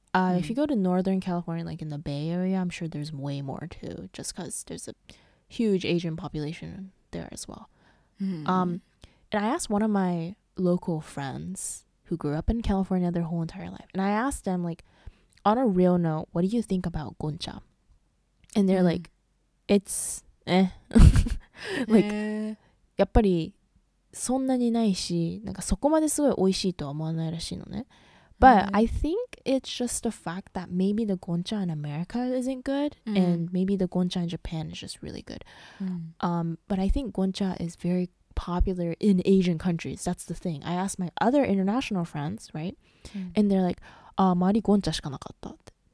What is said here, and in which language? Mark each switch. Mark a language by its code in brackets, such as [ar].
[en] If you go to Northern California, like in the Bay Area, I'm sure there's way more too, just because there's a huge Asian population there as well. Mm. And I asked one of my local friends who grew up in California their whole entire life, and I asked them, like, on a real note, what do you think about Gongcha? And they're like, it's eh. Like, eh. [ja] やっぱり そんなにないし、なんかそこまですごい美味しいとは思わないらしいのね。 [en] But I think it's just the fact that maybe the Gongcha in America isn't good, and maybe the Gongcha in Japan is just really good. But I think Gongcha is very popular in Asian countries. That's the thing. I asked my other international friends, right? And they're like, ah, [ja] 周り Gongcha しかなかったって。